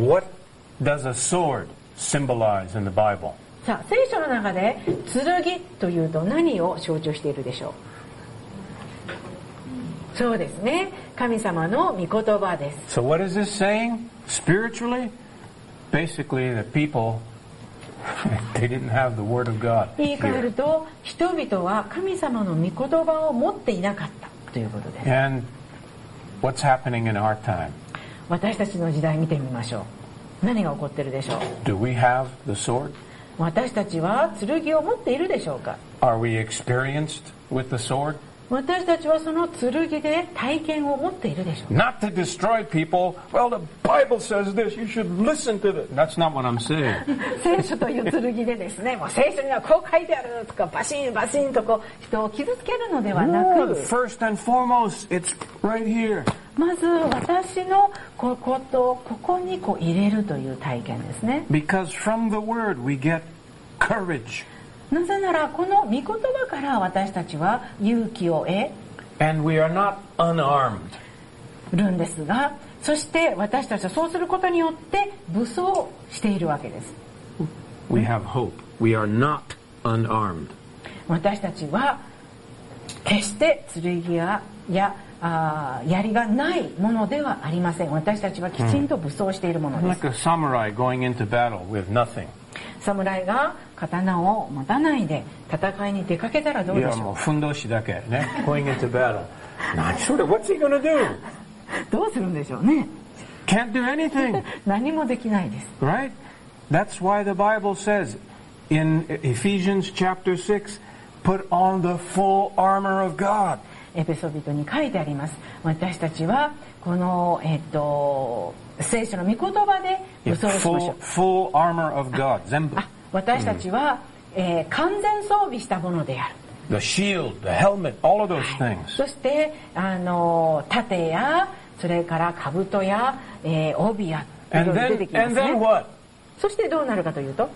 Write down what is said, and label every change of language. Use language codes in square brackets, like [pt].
[en] What does a sword symbolize in the Bible? [ja] さあ聖書の中で剣というと何を象徴しているでしょう。そうですね、神様の御言葉です。 [en] So what is this saying spirituallyBasically, the people, they didn't have the word of God. [ja] 言い換えると、人々は神様の御言葉を持っていなかったということです。 [en] And what's happening in our time? [ja] 私たちの時代見てみましょう。何が起こってるでしょう。 [en] Do we have the sword? [ja] 私たちは剣を持っているでしょうか。 [en] Are we experienced with the sword? [ja] 私たちはその剣で体験を持っているでしょうか。 [en] Not to destroy people. Well, the Bible says this. You should listen to this. That's not what I'm saying. [ja] 聖書という剣でですね、もう聖書にはこう書いてあるとか、バシンバシンとこう人を傷つけるのではなく、 [en] First and foremost, it's right here. [ja] まず私のこことここにこう入れるという体験ですね。 [en] Because from the word we get courage. [ja] なぜならこの御言葉から私たちは勇気を得 [en] And we are not unarmed. [ja] るんですが、そして私たちはそうすることによって武装しているわけです。 [en] We have hope. We are not unarmed. [ja] 私たちは決して剣や槍がないものではありません。私たちはきちんと武装しているものです。 [en] Like a samurai going into battle with nothing. [ja] 侍が刀を持たないで戦いに出かけたらどうでしょう。いやもうふんどしだけね。 [en] Going into battle. Not sure. What's he gonna do? [ja] どうするんでしょうね。 [en] Can't do anything. [ja] 何もできないです。 [en] Right? That's why the Bible says in Ephesians chapter 6, put on the full armor of God. [ja] エペソ人に書いてあります。私たちはこの聖書の御言葉で武装しましょう。 [en] Yeah, full armor of God, [ja] 全部。私たちは、完全装備したものである。 [en] The shield, the helmet, all of those things. [ja] そして盾やそれから兜や、帯や [en] and then, [ja] 出てきますね。 [en] And then what? [ja] そしてどうなるかというと、